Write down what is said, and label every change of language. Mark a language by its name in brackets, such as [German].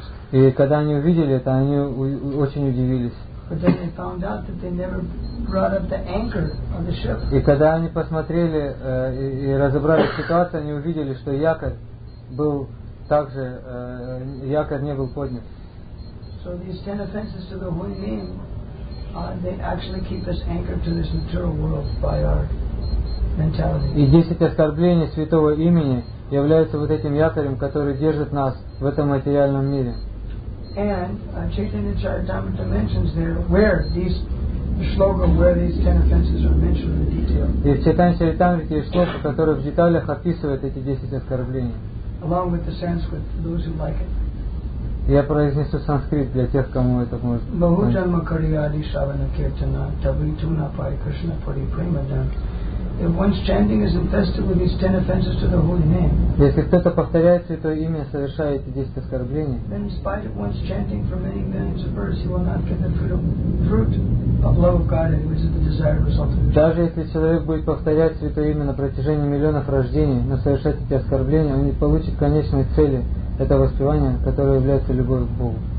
[Russian] И когда они увидели это, они очень удивились. [English] But then they found out that they never brought up the anchor on the ship. [Russian] И когда они посмотрели и разобрали ситуацию, они увидели, что якорь не был поднят. [English] So these ten offenses to the holy name, they actually keep us anchored to this material world by our mentality. [Russian] И 10 оскорблений святого имени являются вот этим якорем, который держит нас в этом материальном мире. [English] And Chaitanya Charitamrita mentions there where these the shloka where these ten offenses are mentioned in detail. [Russian] И Chaitanya Charitamrita есть шлока, которая в деталях описывает эти 10 оскорблений. [English] Along with the Sanskrit, those who like it. [Russian] Я произнесу санскрит для тех, кому это может. [Sanskrit] Bahuja makariyadi shavana kirtana tabituna pai Krishna pari premadam. [English] If one's chanting is infested with these ten offenses to the holy name, [Russian] если кто-то повторяет святое имя, совершая эти 10 оскорблений, [English] then in spite of one's chanting for many millions of verses, he will not get the fruit of love of God, which is the desired result of the [Russian] Даже если человек будет повторять святое имя на протяжении миллионов рождений, но совершать эти оскорбления, он не получит конечной цели этого воспевания, которое является любовью к Богу.